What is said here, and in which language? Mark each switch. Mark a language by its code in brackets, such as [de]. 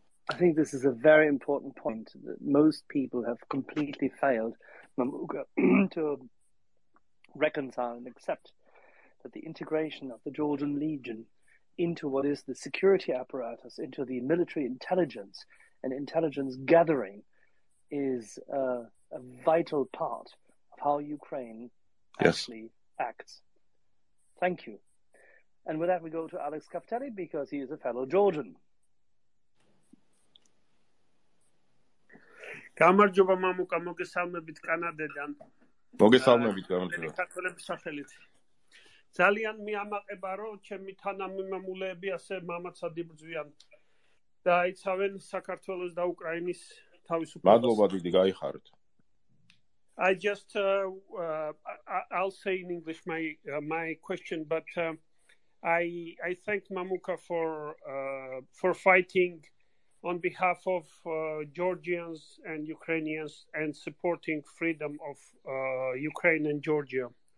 [en] I think this is a very important point that most people have completely failed, Mamuka, to reconcile and accept, that the integration of the Georgian Legion into what is the security apparatus, into the military intelligence and intelligence gathering, is a vital part of how Ukraine actually acts. Thank you. And with that, we go to Alex Kafteli, because he is a fellow Georgian. [ka] გამარჯობა მამუკა, მოგესალმებით კანადიდან. მოგესალმებით, გამარჯობა. საქართველოს სახელით. ძალიან მიამაყება, რომ ჩემი თანამემამულეები ასე მამაცად იბრძვიან და აიცავენ საქართველოს და უკრაინის თავისუფლებას. მადლობა დიდი, გაიხარეთ. [en] I just I'll say in English my question, but I thank Mamuka for fighting on behalf of Georgians and Ukrainians and supporting freedom of Ukraine and Georgia.